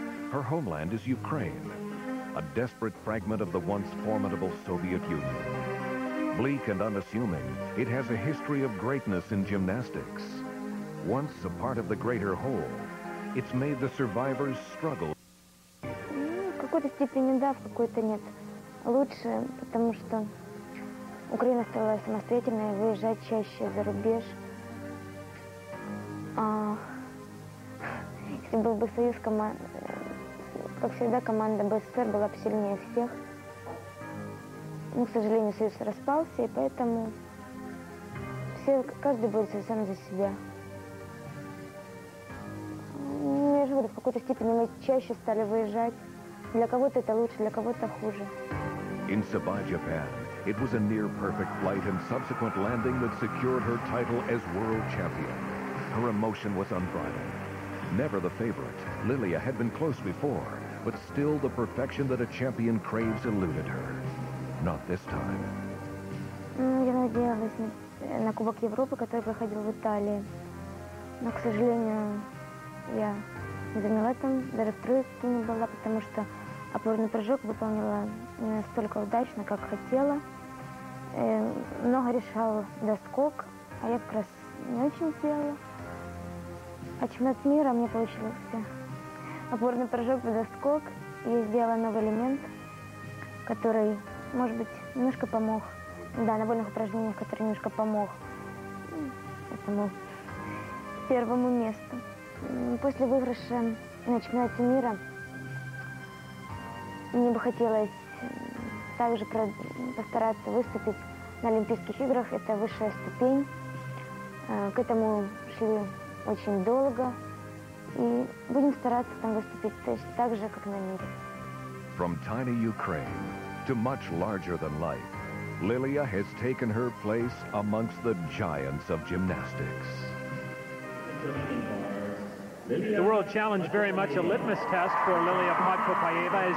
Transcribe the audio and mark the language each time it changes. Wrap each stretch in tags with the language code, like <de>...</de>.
<en>Her homeland is Ukraine, a desperate fragment of the once formidable Soviet Union. Bleak and unassuming, it has a history of greatness in gymnastics. Once a part of the greater whole, it's made the survivors struggle.</en> <ru>В какой-то степени да, в какой-то нет. Лучше, потому что Украина стала самостоятельной и выезжать чаще за рубеж. Если был бы союз команд, как всегда, команда БССР была бы сильнее всех. Но, к сожалению, союз распался, и поэтому каждый будет сам за себя. Мне же года в какой-то степени мы чаще стали выезжать. Для кого-то это лучше, для кого-то хуже.</ru> <en>In Sabah, Japan, it was a near-perfect flight and subsequent landing that secured her title as world champion. Her emotion was unbridled. Never the favorite, Lilia had been close before, but still the perfection that a champion craves eluded her. Not this time.</en> <ru>Я надеялась на Кубок Европы, который проходил в Италии. Но, к сожалению, я не заняла там, даже в тройке не была, потому что опорный прыжок выполнила не настолько удачно, как хотела. Много решал доскок, а я как раз не очень сделала. А чемпионат мира мне получился опорный прыжок в доскок. Я сделала новый элемент, который, может быть, немножко помог. Да, на вольных упражнениях, который немножко помог этому первому месту. После выигрыша на чемпионате мира мне бы хотелось также постараться выступить на Олимпийских играх. Это высшая ступень. К этому шли очень долго. И будем стараться там выступить точно так же, как на мире.</ru> <en>From tiny Ukraine to much larger than life, Lilia has taken her place amongst the giants of gymnastics. The World Challenge, very much a litmus test for Lilia Potkopayeva.</en>